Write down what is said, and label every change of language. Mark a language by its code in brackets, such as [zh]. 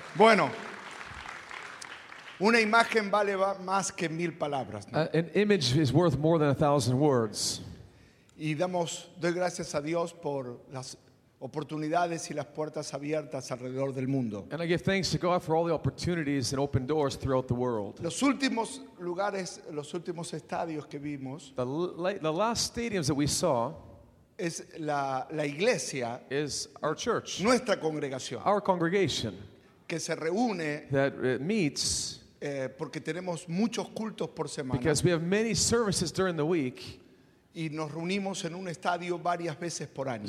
[es] Bueno, una imagen vale más que mil palabras. ¿No? [en] An image is worth more than 1,000 words. [es] Y doy gracias a Dios por las oportunidades y las puertas abiertas alrededor del mundo. [en] And I give thanks to God for all the opportunities and open doors throughout the world. [es] Los últimos lugares, los últimos estadios que vimos. [en] The last stadiums that we saw. [es] Es la iglesia. [en] Is our church. [es] Nuestra congregación. [en] Our congregation. [es] Que se reúne. [en] That meets. [es] Porque tenemos muchos cultos por semana. [en] Because we have many services during the week. [es] Y nos reunimos en un estadio varias veces por año.